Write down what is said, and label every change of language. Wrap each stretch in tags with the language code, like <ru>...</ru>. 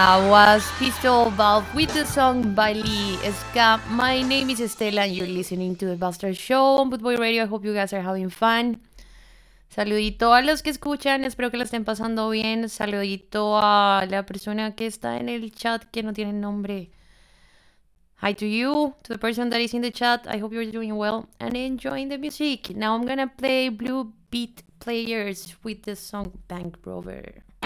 <en>was Pistol Valve with the song Bali Ska. My name is Estela and you're listening to The Buster Show on Boot Boy Radio. I hope you guys are having fun.</en> <es>Saludito a los que escuchan, espero que lo estén pasando bien. Saludito a la persona que está en el chat que no tiene nombre.</es> <en>Hi to you, to the person that is in the chat. I hope you're doing well and enjoying the music. Now I'm gonna play Blue Beat Players with the song Bank Rover.</en>